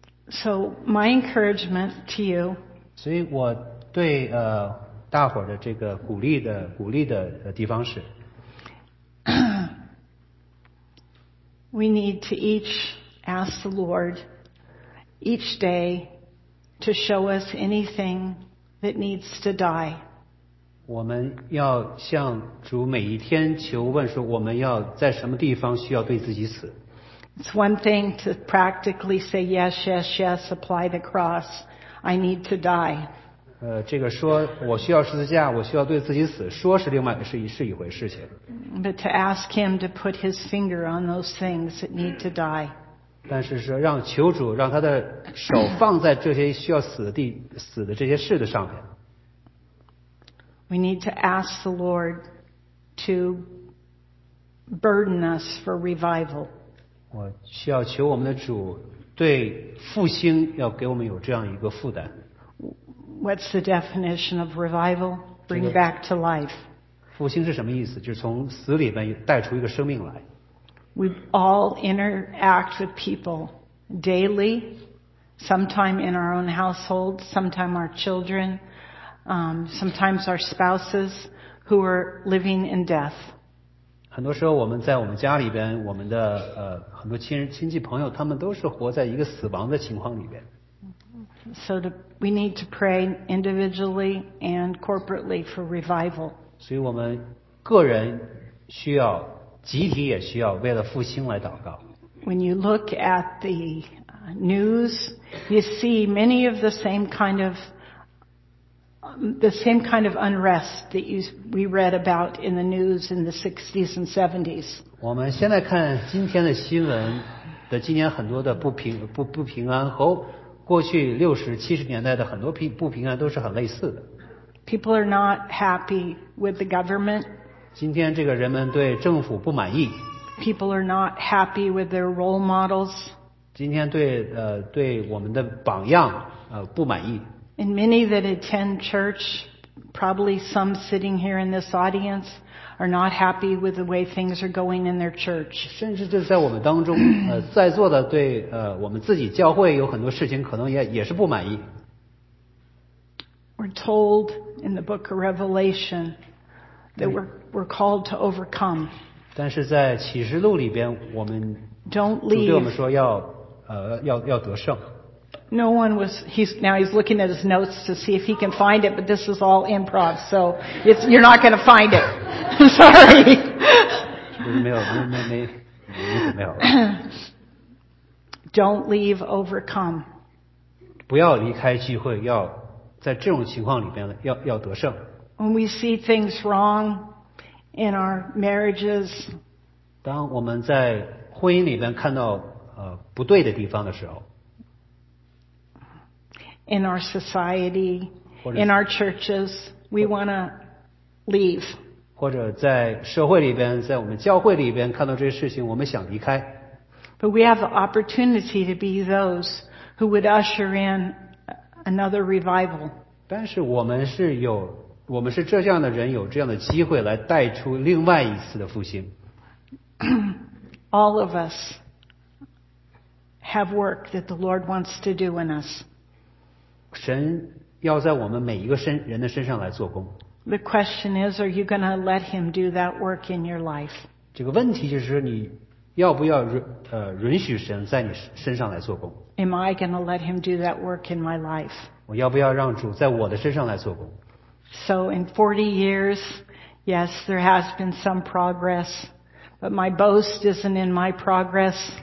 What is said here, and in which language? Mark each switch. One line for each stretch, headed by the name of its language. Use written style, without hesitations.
English: So my encouragement to you.
Chinese: 所以我对大伙的这个鼓励的地方是。
English: We need to each ask the Lord each day to show us anything that needs to die.
Chinese: 我们要向主每一天求问说我们要在什么地方需要对自己死。
English: It's one thing to practically say, yes, yes, yes, apply the cross. I need to die.
Chinese: 这个说我需要十字架，我需要对自己死，说是另外是一回事情。
English: But to ask him to put his finger on those things that need to die.
Chinese: 但是说让求主让他的手放在这些需要死的地死的这些事的上面。
English: We need to ask the Lord to burden us for revival.
Chinese: 我需要求我们的主对复兴要给我们有这样一个负担。
English: What's the definition of revival? Bring back to life.
Chinese: 复兴是什么意思？就是从死里面带出一个生命来。
English: We all interact with people daily, sometime in our own household, sometime our children, sometimes our spouses who are living in death.
Chinese: 很多时候我们在我们家里边，我们的很多亲戚朋友，他们都是活在一个死亡的情况里边。
English: So we need to pray individually and corporately for revival.
Chinese: 所以我们个人需要，集体也需要为了复兴来祷告。
English: When you look at the news, you see many of the same kind of unrest that we read about in the news in the 60s and 70s.
Chinese: 我们现在看今天的新闻的今年很多的不平安和。过去六十七十年代的很多不平安都是很类似的。
English: People are not happy with the government.
Chinese: 今天这个人们对政府不满意。
English: People are not happy with their role models.
Chinese: 今天对对我们的榜样不满意。
English: And many that attend church, probably some sitting here in this audience, are not happy with the way things are going in their church.
Chinese: 甚至就在我们当中，在座的对我们自己教会有很多事情可能也是不满意。
English: We're told in the book of Revelation that we're called to overcome.
Chinese: 但是在启示录里边，我们主对我们说要得胜。
English: No one was. He's looking at his notes to see if he can find it, but this is all improv, so you're not going to find it. Sorry. Don't leave overcome.
Chinese: 不要离开聚会，要在这种情况里边要得胜。
English: When we see things wrong in our marriages,
Chinese: 当我们在婚姻里边看到不对的地方的时候。
English: In our society, in our churches, we want to leave.
Chinese: 或者在社会里边，在我们教会里边看到这些事情，我们想离开。
English: But we have the opportunity to be those who would usher in another revival.
Chinese: 但是我们是这样的人，有这样的机会来带出另外一次的复兴。
English: All of us have work that the Lord wants to do in us.
Chinese: 神要在我们每一个人的身上来做工。
English: The question is, are you going to let him do that work in your life?
Chinese: 这个问题就是你要不要允许神在你身上来做工。
English: Am I going to let him do that work in my life?
Chinese: 我要不要让主在我的身上来做工。
English: So in 40 years, yes, there has been some progress, but my boast isn't in my progress.